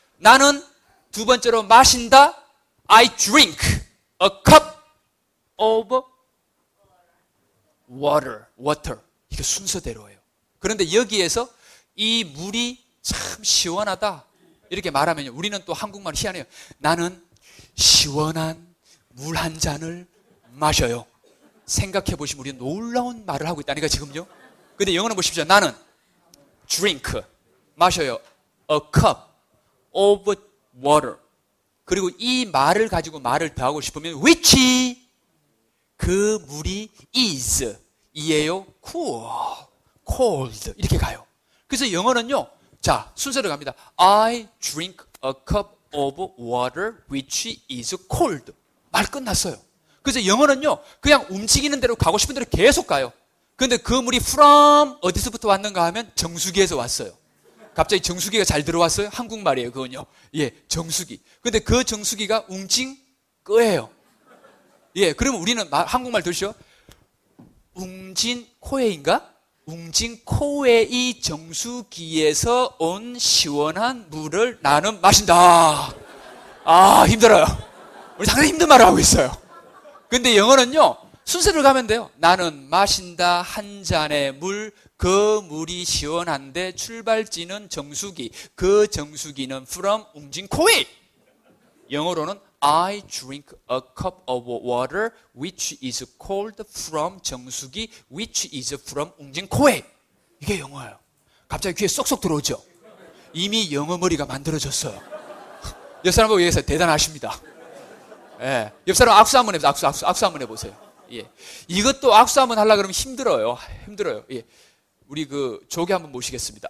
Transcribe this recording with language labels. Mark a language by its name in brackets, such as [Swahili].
[Korean] 나는 두 번째로 마신다. [English] I drink a cup of water. Water. [Korean] 이게 순서대로예요. 그런데 여기에서 이 물이 참 시원하다 이렇게 말하면요, 우리는 또 한국말이 희한해요. 나는 시원한 물 한 잔을 마셔요. 생각해보시면 우리는 놀라운 말을 하고 있다니까 지금요. 근데 영어는 보십시오. 나는 drink, 마셔요, [English] a cup of water. [Korean] 그리고 이 말을 가지고 말을 더하고 싶으면 which, 그 물이 is 이에요, cool, cold 이렇게 가요. 그래서 영어는요, 자 순서로 갑니다. [English] I drink a cup of water which is cold. [Korean] 말 끝났어요. 그래서 영어는요, 그냥 움직이는 대로 가고 싶은 대로 계속 가요. 그런데 그 물이 from 어디서부터 왔는가 하면 정수기에서 왔어요. 갑자기 정수기가 잘 들어왔어요? 한국말이에요, 그건요. 예, 정수기. 근데 그 정수기가 웅징 꺼예요. 예, 그러면 우리는 한국말 들으시죠? 웅진 코웨이인가? 웅진 코웨이 정수기에서 온 시원한 물을 나는 마신다. 아, 힘들어요. 우리 상당히 힘든 말을 하고 있어요. 근데 영어는요, 순서를 가면 돼요. 나는 마신다 한 잔의 물, 그 물이 시원한데 출발지는 정수기, 그 정수기는 from 웅진 코웨이. 영어로는 [English] I drink a cup of water which is cold from 정수기 which is from 웅진 코에. [Korean] 이게 영어예요. 갑자기 귀에 쏙쏙 들어오죠. 이미 영어 머리가 만들어졌어요. 옆 사람하고 얘기해서 대단하십니다. 예. 옆 사람 악수 한번 해보세요. 악수 한번 해보세요. 예. 이것도 악수 한번 하려고 그러면 힘들어요. 힘들어요. 예. 우리 그 조개 한번 모시겠습니다.